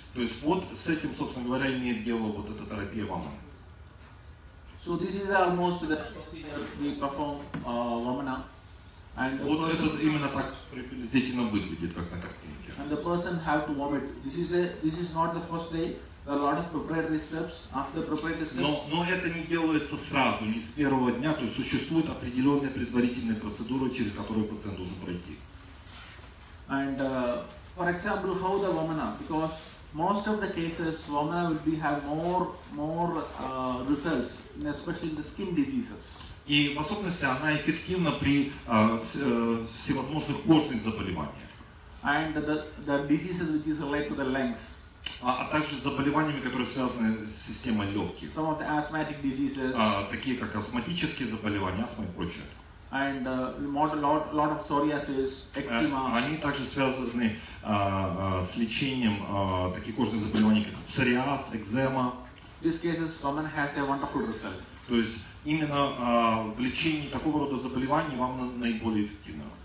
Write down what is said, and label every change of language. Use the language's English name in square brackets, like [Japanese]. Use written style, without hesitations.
[Russian] То есть, вот с этим, собственно говоря, имеет дело вот эта терапия vomiting. [English] So this is almost the procedure we perform vomana. [Russian] And вот это именно так приблизительно выглядит, как на картинке. [English] And the person have to vomit. This is not the first day. There are a lot of preparatory steps. After preparatory steps. [Russian] Но это не делается сразу, не с первого дня. То есть существует определенная предварительная процедура, через которую пациент должен пройти. [English] And for example, how the vomana? Because most of the cases, vomana will be have more results, especially in the skin diseases. [Russian] И в особенности она эффективна при всевозможных кожных заболеваниях. [English] And the diseases which is related to the lungs. [Russian] А также с заболеваниями, которые связаны с системой легких. [English] Some of the asthmatic diseases. [Russian] Такие как астматические заболевания, астма и прочее. [English] And a lot of psoriasis, eczema. [Russian] Они также связаны с лечением таких кожных заболеваний, как псориаз, экзема. [English] In these cases, vomana has a wonderful result. [Russian] То есть именно в лечении такого рода заболеваний вам наиболее эффективно.